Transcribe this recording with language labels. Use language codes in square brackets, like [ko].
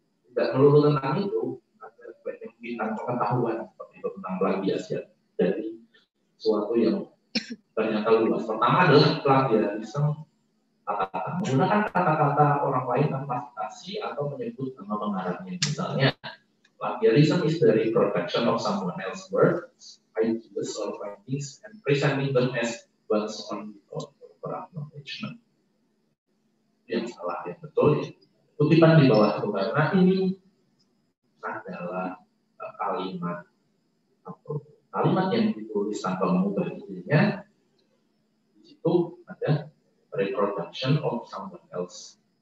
[id] Tidak perlu tentang itu. Ada banyak pengetahuan seperti itu tentang plagiasi dari sesuatu yang ternyata luas. Pertama adalah plagiarisme kata-kata. Menggunakan kata-kata orang lain tanpa citasi atau menyebut nama pengarangnya. [en] Misalnya, plagiarisme is the reproduction of someone else's work, ideas or findings, and presenting them as one's own corporate knowledge. [id] Yang salah, yang betul ya. Kutipan di bawah itu karena ini adalah kalimat atau kalimat yang ditulis tanpa mengubah dirinya, di situ ada [en] reproduction of someone else.